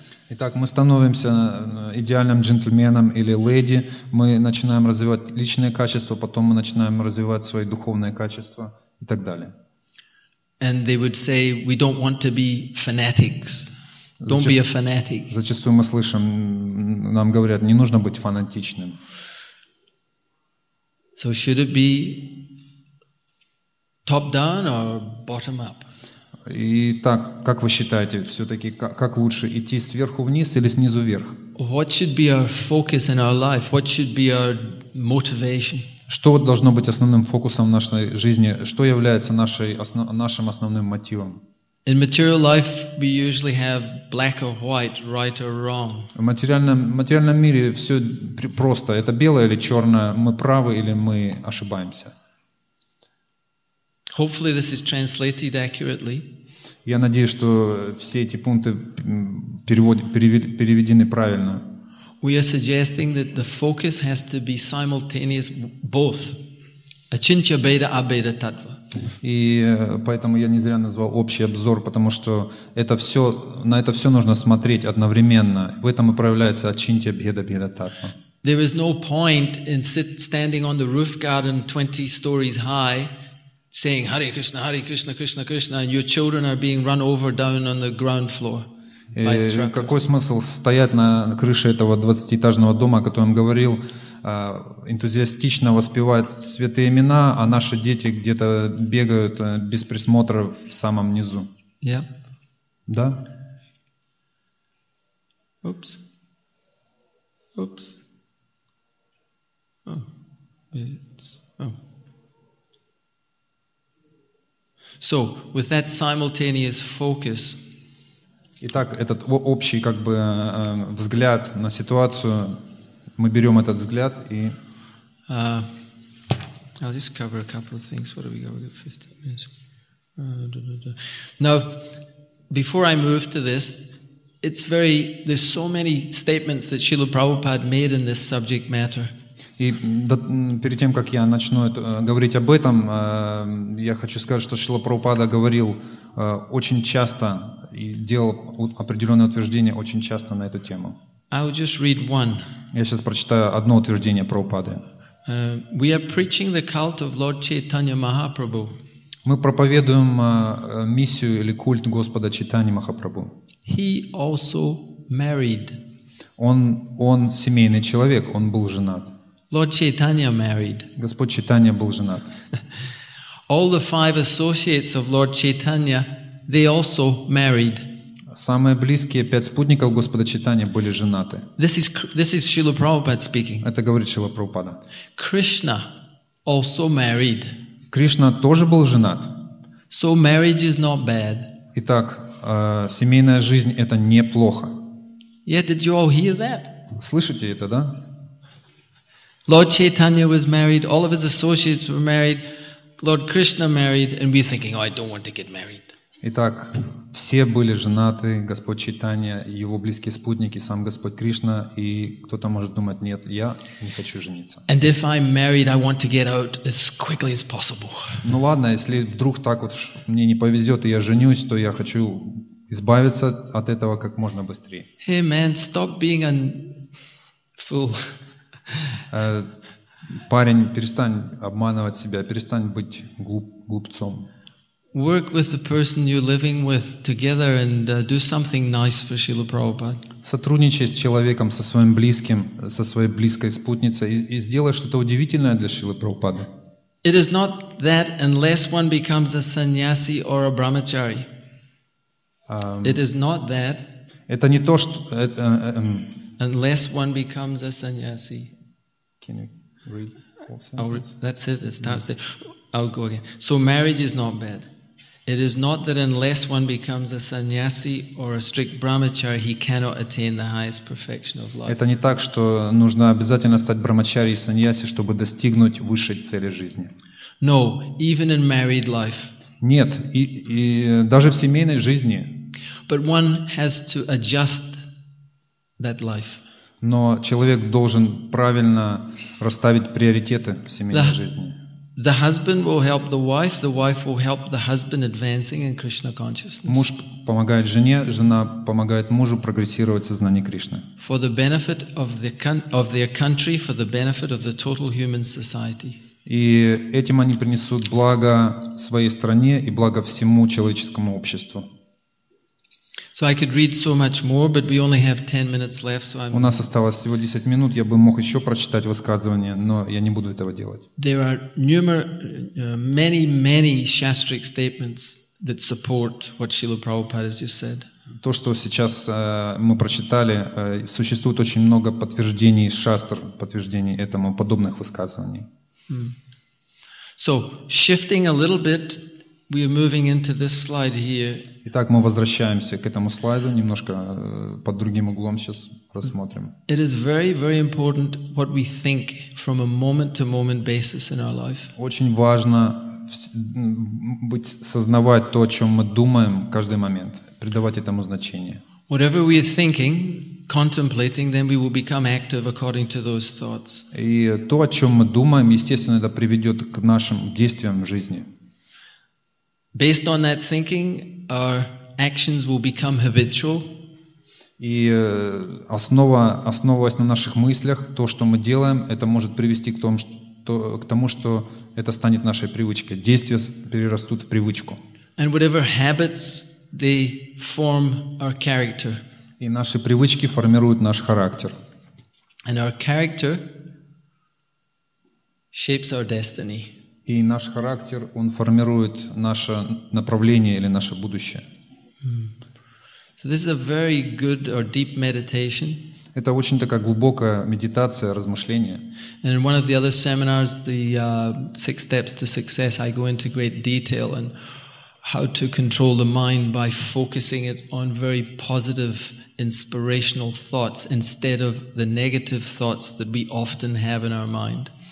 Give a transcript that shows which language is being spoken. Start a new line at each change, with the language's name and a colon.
Russian: Итак, мы становимся идеальным джентльменом или леди, мы начинаем развивать личные качества, потом мы начинаем развивать свои духовные качества и так далее.
English: And they would say, we don't want to be fanatics. Don't be a fanatic.
Russian: Зачастую мы слышим, нам говорят, не нужно быть фанатичным.
English: So should it be top down or bottom up?
Russian: Итак, как вы считаете, все-таки как лучше, идти сверху вниз или снизу вверх?
English: What should be our focus in our life? What should be our motivation?
Russian: Что должно быть основным фокусом нашей жизни? Что является нашим основным мотивом?
English: In material life, we usually have black or white, right or wrong.
Russian: В материальном мире все просто. Это белое или черное. Мы правы или мы ошибаемся.
English: Hopefully this is translated accurately.
Russian: Я надеюсь, что все эти пункты переведены правильно.
English: We are suggesting that the focus has to be simultaneous, both
Sanskrit: Ачинча бейра абейра татва.
Russian: И поэтому я не зря назвал общий обзор, потому что это все, на это все нужно смотреть одновременно. В этом и проявляется ачинча бхеда бхеда татва.
English: There is no point in standing on the roof garden 20 stories high saying Hare Krishna, Hare Krishna, Krishna Krishna, and your children are being run over down on the ground floor.
Russian: Какой смысл стоять на крыше этого 20-этажного дома, о котором говорил, энтузиастично воспевать святые имена, а наши дети где-то бегают без присмотра в самом низу?
English: Yeah.
Russian: Да?
English: Oops. Oops. Oh. It's... Oh. So, with that simultaneous focus...
Russian: Итак, этот общий как бы взгляд на ситуацию, мы берем этот взгляд и...
English: I'll just cover a couple of things. What have we got? We've got 15 minutes. Now, before I move to this, it's very... There's so many statements that Srila Prabhupada made in this subject matter.
Russian: И перед тем, как я начну говорить об этом, я хочу сказать, что Шрила Прабхупада говорил очень часто и делал определенные утверждения очень часто на эту тему.
English: I'll just read one.
Russian: Я сейчас прочитаю одно утверждение Прабхупады.
English: We are preaching the cult of Lord Chaitanya Mahaprabhu.
Russian: Мы проповедуем миссию или культ Господа Чайтаньи Махапрабху.
English: He also married.
Russian: Он семейный человек, он был женат.
English: Lord Chaitanya married.
Russian: Господь Чайтанья был женат.
English: All the five associates of Lord Chaitanya, they also married.
Russian: Самые близкие пять спутников Господа Чайтанья были женаты.
English: This is Srila Prabhupada speaking.
Russian: Это говорит Шрила Прабхупада.
English: Krishna also married.
Russian: Кришна тоже был женат.
English: So marriage is not bad.
Russian: Итак, семейная жизнь это неплохо.
English: Yeah, did you all hear that?
Russian: Слышите это, да?
English: Lord Chaitanya was married, all of his associates were married, Lord Krishna married, and we're thinking, oh, I don't want to get married.
Russian: Итак, все были женаты, Господь Чайтанья, его близкие спутники, сам Господь Кришна, и кто-то может думать, нет, я не хочу жениться.
English: And if I'm married, I want to get out as quickly as possible.
Russian: Ну ладно, если вдруг так вот мне не повезет, и я женюсь, то я хочу избавиться от этого как можно быстрее.
English: Hey man, stop being a fool.
Russian: Парень, перестань обманывать себя, перестань быть глупцом.
English: Work with the person you're living with together and do something nice for Srila Prabhupada.
Russian: Сотрудничай с человеком, со своим близким, со своей близкой спутницей и сделай что-то удивительное для Шрилы Прабхупады.
English: It is not that unless one becomes a sannyasi or a brahmachari. It is not that.
Russian: Это не то, что
English: Unless one becomes a sannyasi. Can you read all sentences? That's it, it starts there. I'll go again. So marriage is not bad. It is not that unless one becomes a sannyasi or a strict brahmachari, he cannot attain the highest perfection of love.
Russian: Это не так, что нужно обязательно стать брахмачари и саньяси, чтобы достигнуть высшей цели жизни.
English: No, even in married life.
Russian: Нет, и даже в семейной жизни.
English: But one has to adjust that life.
Russian: Но человек должен правильно расставить приоритеты в семейной жизни.
English: The husband will help the wife will help the husband advancing in Krishna consciousness.
Russian: Муж помогает жене, жена помогает мужу прогрессировать в сознании Кришны.
English: For the benefit of their country, for the benefit of the total human society.
Russian: И этим они принесут благо своей стране и благо всему человеческому обществу.
English: So I could read so much more, but we only have 10 minutes left, so I'm...
Russian: У нас осталось всего 10 минут, я бы мог еще прочитать высказывание, но я не буду этого делать.
English: There are many, many shastric statements that support what Srila Prabhupada has just said.
Russian: То, что сейчас мы прочитали, существует очень много подтверждений шастр, подтверждений этому, подобных высказываний.
English: So, shifting a little bit, we are moving into this slide here.
Russian: Итак, мы возвращаемся к этому слайду, немножко под другим углом сейчас рассмотрим.
English: It is very, very important what we think from a moment-to-moment basis in our life.
Russian: Очень важно быть, сознавать то, о чем мы думаем каждый момент, придавать этому значение.
English: Whatever we are thinking, contemplating them, we will become active according to those thoughts.
Russian: И то, о чем мы думаем, естественно, это приведет к нашим действиям в жизни.
English: Based on that thinking, our actions will become habitual.
Russian: И основываясь на наших мыслях, то, что мы делаем, это может привести к тому, что это станет нашей привычкой. Действия перерастут в привычку.
English: And whatever habits they form our character.
Russian: И наши привычки формируют наш характер.
English: And our character shapes our destiny.
Russian: И наш характер, он формирует наше направление или наше будущее.
English: So this is a very good or deep meditation.
Russian: Это очень такая глубокая медитация, размышление.
English: And in one of the other seminars, the six steps to success, I go into great detail and how to control the mind by focusing it on very positive inspirational thoughts instead of the negative thoughts that we often have in our mind.